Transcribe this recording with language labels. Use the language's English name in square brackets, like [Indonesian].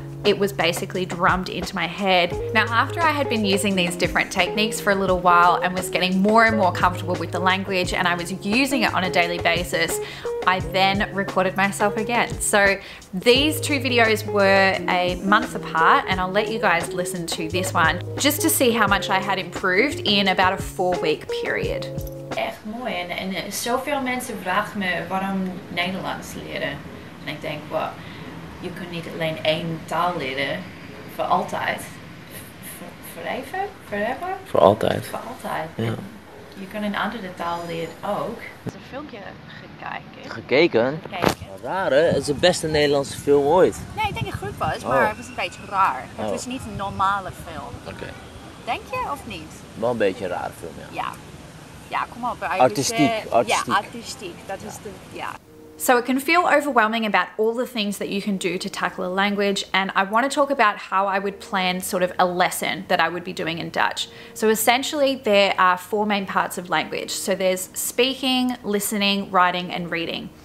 [English] it was basically drummed into my head. Now, after I had been using these different techniques for a little while and was getting more and more comfortable with the language and I was using it on a daily basis, I then recorded myself again. So these two videos were a month apart, and I'll let you guys listen to this one just to see how much I had improved in about a 4 week period. [Dutch] Echt mooi. En zoveel mensen vragen me waarom Nederlands leren. En ik denk, well, je kunt niet alleen één taal leren voor altijd. [English] Forever? Forever? [Dutch] Voor altijd. Voor altijd. Ja. Je kunt een andere taal leren ook. Er is een filmpje gekeken. Gekeken? Gekeken. Raar, hè? Het is de beste Nederlandse film ooit. Nee, ik denk het goed was, maar het was een beetje raar. Het was niet een normale film. Oké. Denk je of niet? Wel een beetje een rare film, ja. Ja. Ja, kom op. Artistiek. Ja, artistiek. Dat is de... Ja. [English] So it can feel overwhelming about all the things that you can do to tackle a language, and I want to talk about how I would plan sort of a lesson that I would be doing in Dutch. So essentially there are four main parts of language. So there's speaking, listening, writing and reading.